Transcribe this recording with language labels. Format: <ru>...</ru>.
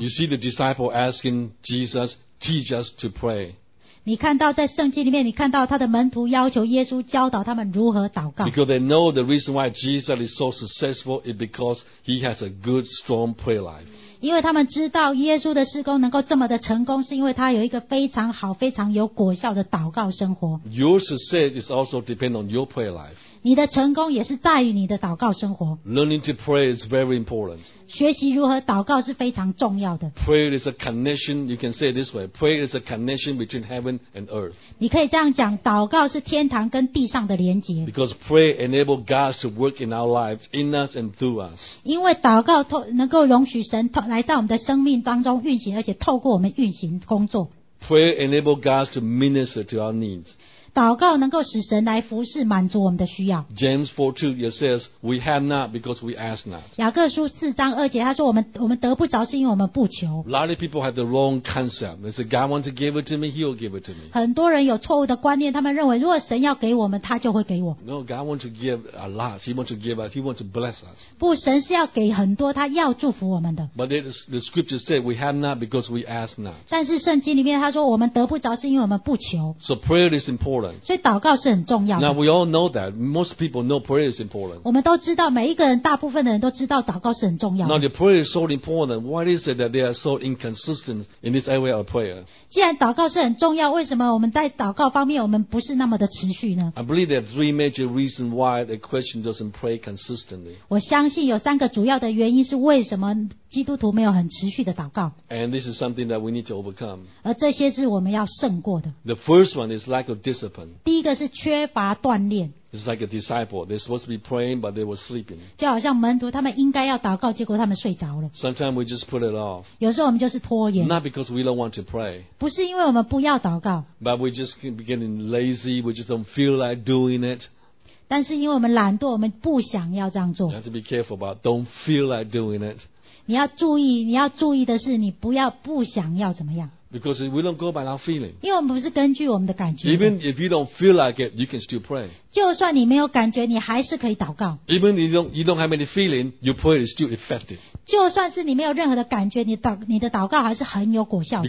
<en>You see the disciple asking Jesus, teach us to pray.</en> <zh>你看到在圣经里面，你看到他的门徒要求耶稣教导他们如何祷告。</zh> <en>Because they know the reason why Jesus is so successful is because he has a good, strong prayer life.</en> <zh>因为他们知道耶稣的事工能够这么的成功，是因为他有一个非常好、非常有果效的祷告生活。</zh> <en>Your success is also depend on your prayer life.</en> <zh>你的成功也是在于你的祷告生活。</zh> <en>Learning to pray is very important.</en> <zh>学习如何祷告是非常重要的。</zh> <en>Prayer is a connection, you can say it this way, prayer is a connection between heaven and earth.</en> <zh>你可以这样讲，祷告是天堂跟地上的连结。</zh> <en>Because prayer enables God to work in our lives, in us and through us.</en> <zh>因为祷告能够容许神来在我们的生命当中运行，而且透过我们运行工作。</zh> <en>Prayer enables God to minister to our needs.</en> <zh>祷告能够使神来服事满足我们的需要。</zh> <en>James 4:2 it says we have not because we ask not.</en> <zh>雅各书四章二节他说我们得不着是因为我们不求。</zh> <en>A lot of people have the wrong concept. They say God wants to give it to me, he will give it to me.</en> <zh>很多人有错误的观念，他们认为如果神要给我们他就会给我。</zh> <en>No, God wants to give a lot. He wants to give us. He wants to bless us.</en> <zh>不，神是要给很多，他要祝福我们的。</zh> <en>But it is, the scripture says we have not because we ask not.</en> <zh>但是圣经里面他说我们得不着是因为我们不求。</zh> <en>So prayer is important.</en> <zh>所以祷告是很重要的。</zh> <en>Now we all know that most people know prayer is important.</en> <zh>我们都知道，每一个人，大部分的人都知道祷告是很重要的。</zh> <en>Now the prayer is so important. Why is it that they are so inconsistent in this area of prayer?</en> <zh>既然祷告是很重要，为什么我们在祷告方面我们不是那么的持续呢</zh> <en>？I believe there are three major reasons why a Christian doesn't pray consistently.</en> <zh>我相信有三个主要的原因是为什么基督徒没有很持续的祷告。</zh> <en>And this is something that we need to overcome.</en> <zh>而这些是我们要胜过的。</zh> <en>The first one is lack of discipline.</en> <zh>第一个是缺乏锻炼。</zh> <en>It's like a disciple. They're supposed to be praying, but they were sleeping.</en> <zh>就好像门徒，他们应该要祷告，结果他们睡着了。</zh> <en>Sometimes we just put it off.</en> <zh>有时候我们就是拖延。</zh> <en>Not because we don't want to pray.</en> <zh>不是因为我们不要祷告。</zh> <en>But we just getting lazy. We just don't feel like doing it.</en> <zh>但是因为我们懒惰，我们不想要这样做。</zh> <en>You have to be careful about it. Don't feel like doing it.</en> <zh>你要注意的是，你不要不想要怎么样。</zh> <en>Because we don't go by our feeling.</en> <zh>因为我们不是根据我们的感觉。</zh> <en>Even if you don't feel like it, you can still pray.</en> <zh>就算你没有感觉，你还是可以祷告。</zh> <en>Even if you don't have any feeling, your prayer is still effective.</en> <zh>就算是你没有任何的感觉，你的祷告还是很有果效的。</zh>